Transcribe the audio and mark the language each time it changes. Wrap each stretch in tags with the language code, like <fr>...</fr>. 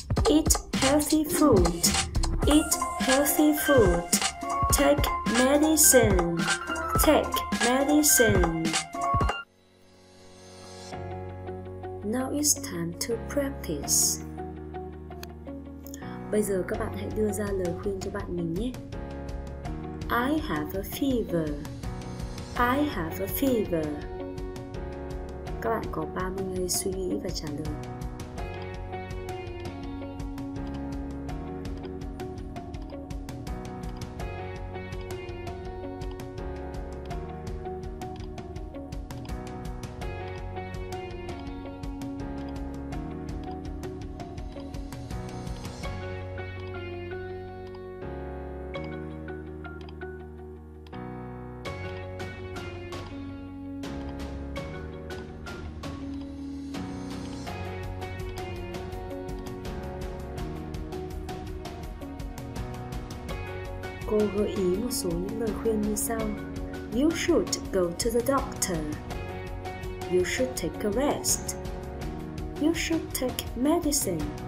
<en>Eat healthy food. Eat healthy food. Take medicine. Take medicine. Now it's time to practice.</en> <vi>Bây giờ các bạn hãy đưa ra lời khuyên cho bạn mình nhé.</vi> <en>I have a fever. I have a fever.</en> <vi>Các bạn có 30 giây suy nghĩ và trả lời. cô gợi ý một số những lời khuyên như sau.</vi> <en>You should go to the doctor. You should take a rest. You should take medicine.</en>